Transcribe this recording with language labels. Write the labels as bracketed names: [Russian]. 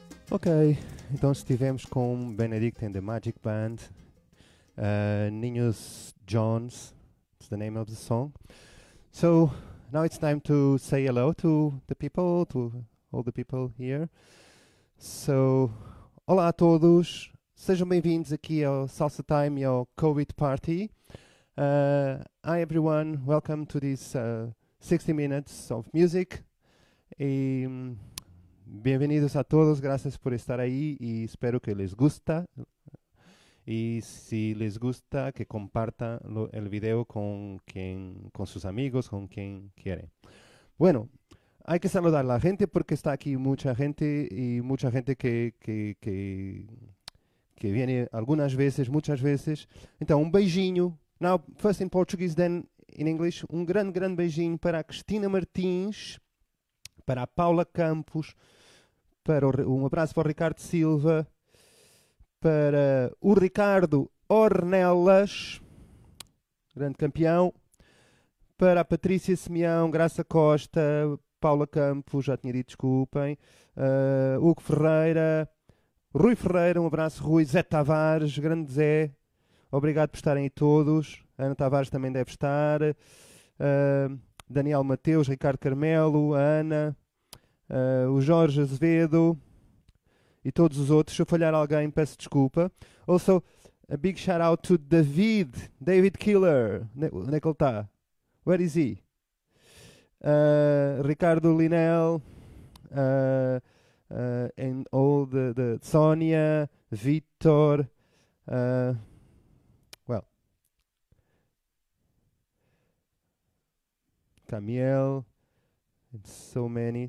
[Portuguese] Ok, então estivemos com [English] Benedict and the Magic Band, Ninos Jones, it's the name of the song. So now it's time to say hello to the people, to all the people here. [Portuguese] So, olá a todos, sejam bem-vindos aqui ao Salsa Time e ao COVID Party. [English] Hi everyone, welcome to this 60 minutes of music. [Portuguese] E bem-vindos a todos, graças por estar aí e [Spanish] espero que les gusta. [Portuguese] E se les gusta, que compartam o vídeo com seus amigos, com quem querem. [Spanish] Bueno, hay que saludar a la gente porque está aquí mucha gente y mucha gente que viene algunas veces, muchas veces. [Portuguese] Então, beijinho. [English] Now, first in Portuguese, then in English. [Portuguese] Grande beijinho para a Cristina Martins, para a Paula Campos, para abraço para o Ricardo Silva, para o Ricardo Ornelas, grande campeão, para a Patrícia Simeão, Graça Costa, Paula Campos, já tinha dito, desculpem, Hugo Ferreira, Rui Ferreira, um abraço, Rui, Zé Tavares, grande Zé, obrigado por estarem aí todos, Ana Tavares também deve estar, Daniel Mateus, Ricardo Carmelo, Ana, o Jorge Azevedo e todos os outros. Se eu falhar alguém, peço desculpa. [English] Also, a big shout out to David Killer, [Portuguese] onde é que ele está? [English] Where is he? Ricardo Linel, and all the Sonia, Vitor, Camiel, and so many.